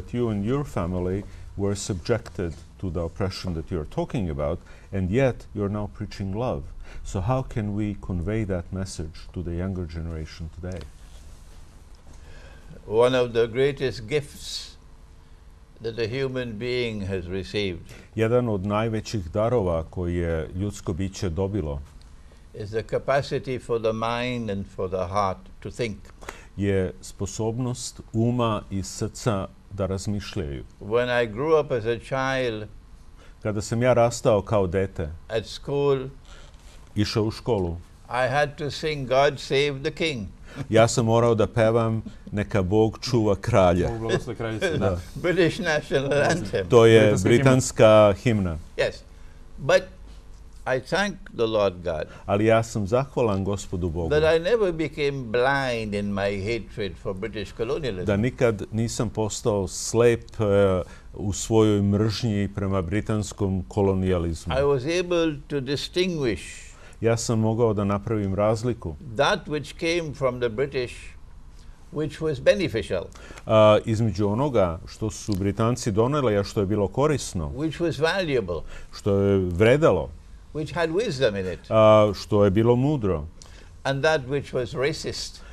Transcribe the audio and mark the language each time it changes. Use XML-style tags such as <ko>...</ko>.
<en>That you and your family were subjected to the oppression that you are talking about, and yet you are now preaching love. So how can we convey that message to the younger generation today? One of the greatest gifts that a human being has received.</en> <sr>Jedan od najvećih darova koje je ljudsko biće dobilo.</sr> <en>Is the capacity for the mind and for the heart to think.</en> <sr>Je sposobnost uma i srca da razmišljaju.</sr> <en>When I grew up as a child.</en> <sr>Kada sam ja rastao kao dete.</sr> <en>At school.</en> <sr>Išao u školu.</sr> <en>I had to sing God Save the King.</en> <sr>Ja sam morao da pevam neka Bog čuva kralja.</sr> <en>British national anthem.</en> <sr>To je britanska himna.</sr> <en>Yes. But I thank the Lord God.</en> <sr>Ali ja sam zahvalan Gospodu Bogu.</sr> <en>That I never became blind in my hatred for British colonialism.</en> <sr>Da nikad nisam postao slep u svojoj mržnji prema britanskom kolonijalizmu.</sr> <en>I was able to distinguish.</en> <sr>Ja sam mogao da napravim razliku.</sr> <en>That which came from the British, which was beneficial.</en> <sr>Između onoga što su Britanci doneli, a što je bilo korisno.</sr> <en>Which was valuable.</en> <sr>Što je vredalo.</sr> <en>Which had wisdom in it.</en> <sr>Što je bilo mudro.</sr> <en>And that which was racist.</en>